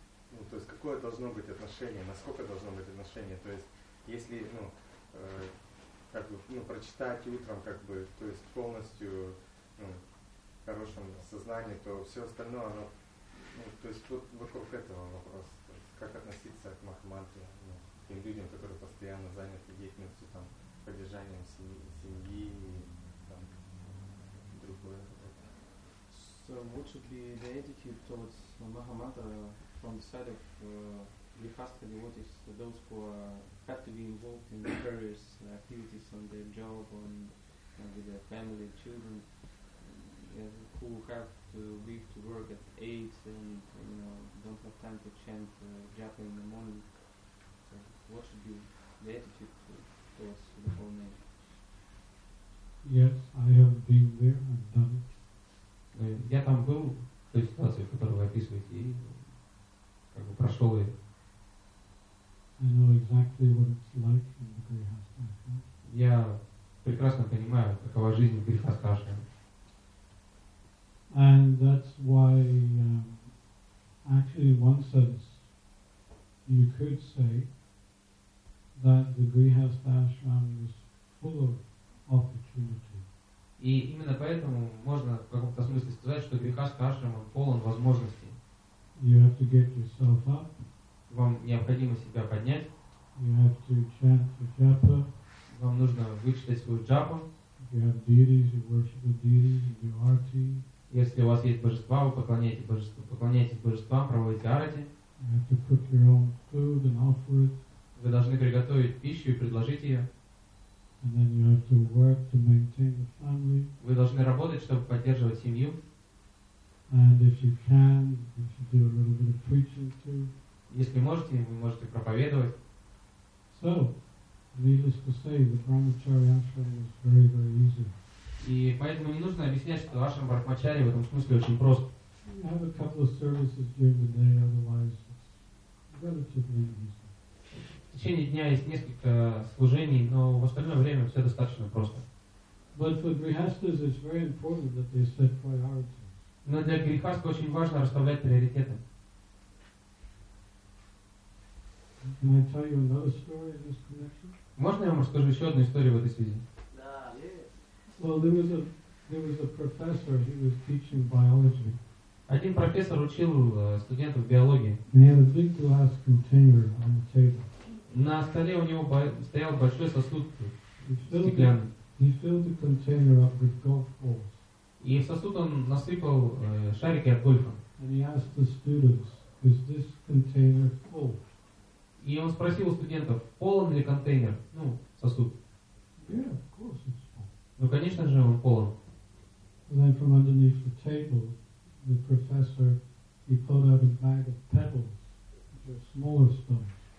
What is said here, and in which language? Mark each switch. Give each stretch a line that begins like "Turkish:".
Russian: Ну, то есть, какое должно быть отношение, насколько должно быть отношение, то есть, если, ну, как бы, ну, прочитать утром, как бы, то есть, полностью, ну, в хорошем сознании, то все остальное, оно, ну, то есть, вот вокруг этого вопрос, как относиться к махамантре, ну, к тем людям, которые постоянно заняты деятельностью, там, поддержанием семьи и там, другое.
English: So what should be the attitude towards Mahamantra from the side of Grihastha devotees, those who have to be involved in various activities on their job, on with their family, children, who have to leave to work at 8 and, you know, don't have time to chant japa in the morning. So what should be the attitude towards the whole name? Yes, I have been there and done it.
Russian: Я там был в той ситуации, в которой вы описываете, и как бы прошел ее.
English: I know exactly what it's like in the Grihastha Ashram.
Russian: Я прекрасно понимаю, какова жизнь в Грихастха Ашраме.
English: And that's why actually in one sense you could say that the Grihastha Ashram is full of opportunity.
Russian: И именно поэтому можно в каком-то смысле сказать, что Грихастха Ашрам полон возможностей.
English: You have to get yourself up.
Russian: Вам необходимо себя поднять.
English: You have to chant your japa.
Russian: Вам нужно вычитать свою джапу.
English: You have deities, you worship the deities, you do arti.
Russian: Если у вас есть божества, вы поклоняетесь божествам, проводите арати.
English: You have to cook your own food and offer it.
Russian: Вы должны приготовить пищу и предложить ее.
English: And then you have to work to maintain the family.
Russian: Вы должны работать, чтобы поддерживать семью.
English: And if you can, you should do a little bit of preaching too.
Russian: Если можете, вы можете проповедовать.
English: So, needless to say, the Brahmacharya ashram is very, very easy.
Russian: И поэтому не нужно объяснять, что ашрам Брахмачари в этом смысле очень прост.
English: You have a couple of services during the day, otherwise it's relatively easy.
Russian: В течение дня есть несколько служений, но в остальное время все достаточно просто.
English: But for grihasthas it's very important that they set priorities.
Russian: Но для грихастха очень важно расставлять приоритеты.
English: Can I tell you another story in this connection?
Russian: Можно я вам расскажу еще одну историю в этой связи? Да,
English: yeah. Well, there was a professor, he was teaching biology.
Russian: Один профессор учил студентов биологии.
English: He had a big glass container on the table.
Russian: На столе у него стоял большой сосуд стеклянный.
English: He filled the container up with golf balls.
Russian: И в сосуд он насыпал шарики от гольфа.
English: And he asked the students, is this container full?
Russian: И он спросил у студентов, полон ли контейнер, ну, сосуд.
English: Yeah, of course it's full.
Russian: Ну, конечно же, он полон.
English: And then from underneath the table, the professor, he pulled out a bag of pebbles, which are smaller stones.